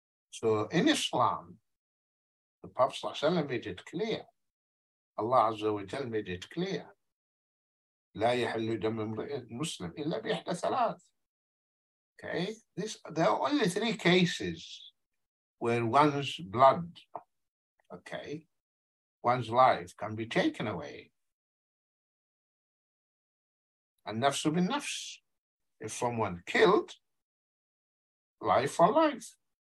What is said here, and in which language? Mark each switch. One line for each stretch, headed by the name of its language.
English: So in Islam, the Prophet ﷺ made it clear. Allah Azza wa Jal made it clear.
Arabic: لا يحل دم مسلم إلا بإحدى ثلاث.
English: Okay, there are only three cases where one's blood, okay, one's life can be taken away. And nafs bin nafs. If someone killed, life for life.